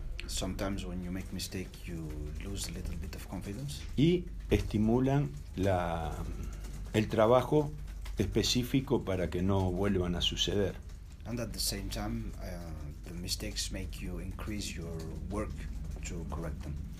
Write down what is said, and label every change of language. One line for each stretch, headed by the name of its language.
English: Sometimes when you make mistake, you lose a little bit of confidence.
Spanish: Y estimulan el trabajo específico para que no vuelvan a suceder.
English: And at the same time, the mistakes make you increase your work to correct them.